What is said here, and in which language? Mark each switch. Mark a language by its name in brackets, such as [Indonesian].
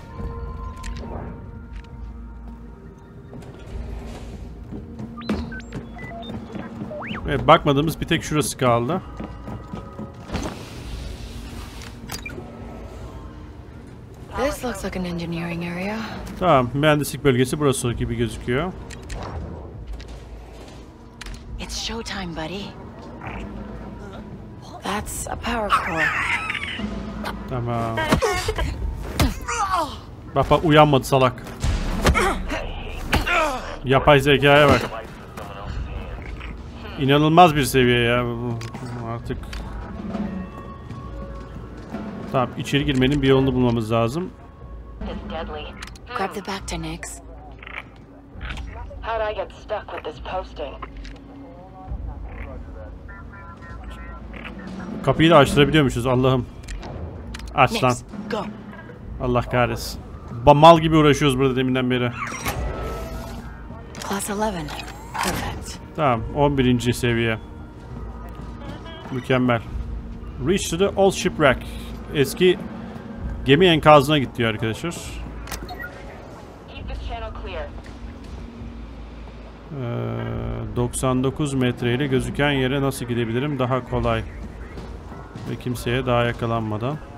[English] Activity. [Turkish] Evet, bakmadığımız bir tek şurası kaldı. [English] This looks like an engineering area. [Turkish] Tamam, mühendislik bölgesi burası gibi gözüküyor. [English] It's showtime, buddy. That's a power core. [Turkish] Tamam. Baba uyanmadı salak. Yapay zekaya bak. İnanılmaz bir seviye ya artık. Tamam, içeri girmenin bir yolunu bulmamız lazım. [English] Grab the back to Nix. How'd I get stuck with this posting? [Turkish] Kapıyı da açtırabiliyormuşuz Allah'ım. Aç lan. Allah kahretsin. Mal gibi uğraşıyoruz burada deminden beri. [English] Class 11. Perfect. [Turkish] Tamam, 11. seviye. Mükemmel. [English] Reach to the old shipwreck. [Turkish] Eski gemi enkazına git diyor arkadaşlar. [English] Keep this channel clear. [Turkish] 99 metre ile gözüken yere nasıl gidebilirim daha kolay ve kimseye daha yakalanmadan?